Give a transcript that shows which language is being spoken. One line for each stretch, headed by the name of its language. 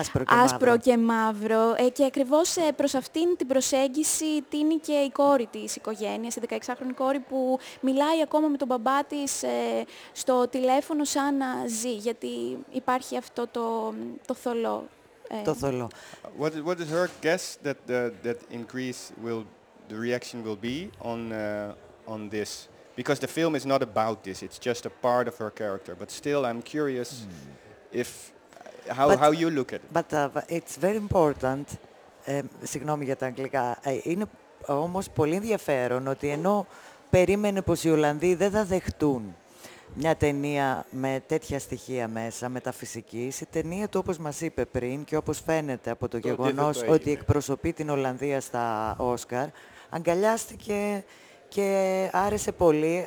Greek: άσπρο και μαύρο. Και ακριβώς προς αυτήν την προσέγγιση τίνει και η κόρη της οικογένειας, η 16χρονη κόρη που μιλάει ακόμα με τον μπαμπά της στο τηλέφωνο σαν να ζει, γιατί υπάρχει αυτό το θολό. Το θολό.
English: What is her guess that in Greece will the reaction will be on this, because the film is not about this, it's just a part of her character, but still I'm curious if how you look at it. But it's very important,
Greek: συγγνώμη για τα αγγλικά, είναι όμως πολύ ενδιαφέρον ότι ενώ περίμενε πως οι Ολλανδοί δεν θα δεχτούν μια ταινία με τέτοια στοιχεία μέσα, μεταφυσικής, η ταινία του, όπως μας είπε πριν και όπως φαίνεται από το γεγονός ότι εκπροσωπεί την Ολλανδία στα Όσκαρ, αγκαλιάστηκε και άρεσε πολύ.